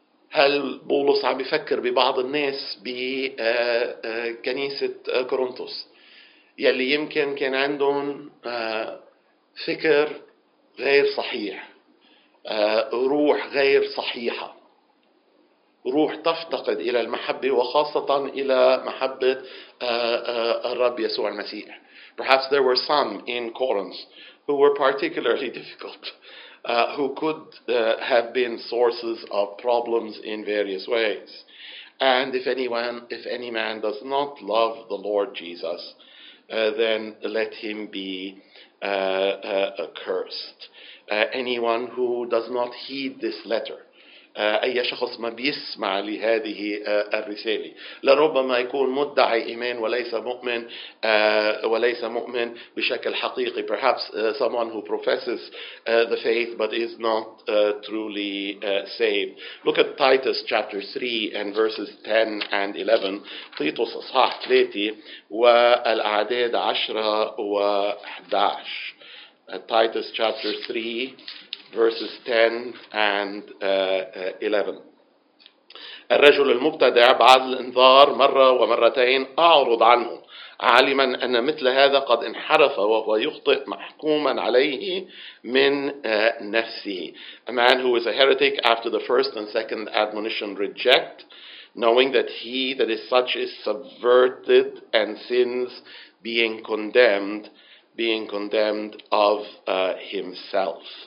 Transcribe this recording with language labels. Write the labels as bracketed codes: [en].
[ar] هل بولس عم بيفكر ببعض الناس بكنيسة كورنثوس؟ يلي يمكن كان عندهم فكر غير صحيح روح غير صحيحة روح تفتقد إلى المحبة وخاصة إلى محبة الرب يسوع المسيح. [en] Perhaps there were some in Corinth who were particularly difficult, who could have been sources of problems in various ways. And if any man does not love the Lord Jesus, then let him be accursed. Anyone who does not heed this letter, [ar] أي شخص ما بيسمع لهذه الرسالة لربما يكون مدعي إيمان وليس مؤمن بشكل حقيقي. [en] Perhaps someone who professes the faith but is not truly saved. Look at Titus chapter 3 and verses 10 and 11. [ar] تيتوس أصحاح 3 والأعداد 10 و 11. [en] Titus chapter 3 verses 10 and 11. [ar] الرجل المبتدع بعد الانذار مرة ومرتين أعرض عنه عالما أن مثل هذا قد انحرف وهو يخطئ محكوما عليه من نفسه. [en] A man who is a heretic after the first and second admonition reject, knowing that he that is such is subverted and sins, being condemned of himself.